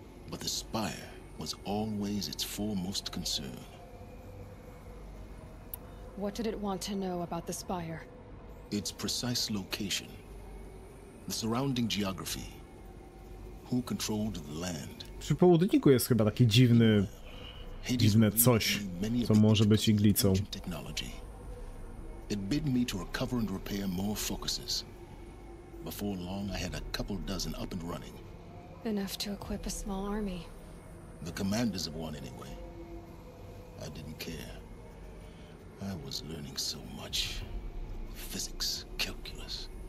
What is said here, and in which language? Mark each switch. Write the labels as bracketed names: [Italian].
[English] But the Spire was always its foremost concern. What did it want to know about the Spire? Its precise location, the surrounding geography, who controlled the land. [Polish] Przy Południku jest chyba taki dziwne coś, co może być iglicą. [English] It bid me to recover and repair more focuses. Before long, I had a couple dozen up and running. Enough to equip a small army. The commanders of one, anyway. I didn't care. I was learning so much. Physics, calculus.